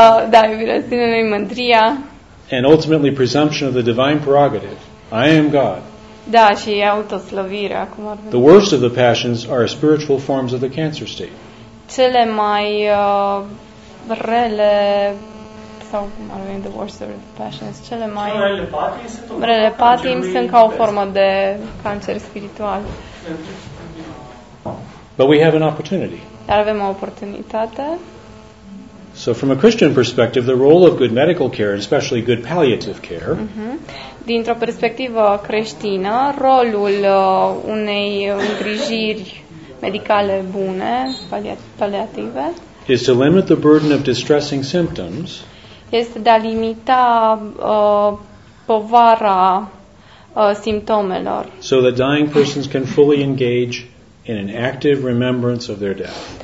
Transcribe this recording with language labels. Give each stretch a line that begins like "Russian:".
Romanian: Da, iubirea sinelui, mândria.
English: And ultimately presumption of the divine prerogative. I am God.
Romanian: Da, și autoslăvirea, cum ar
English: veni. The worst of the passions are spiritual forms of the cancer state.
Romanian: Cele mai rele sau cum ar veni,
English: the worst of the passions,
Romanian: cele mai... Relele patim sunt, relele patim sunt ca o formă de cancer spiritual.
English: But we have an opportunity.
Romanian: Dar avem o oportunitate.
English: So from a Christian perspective, the role of good medical care, especially good palliative care,
Romanian: dintr-o perspectivă creștină, rolul unei îngrijiri medicale bune, paliative,
English: is to limit the burden of distressing symptoms.
Romanian: Este de a limita povara simptomelor.
English: So that dying persons can fully engage in an active remembrance of their death.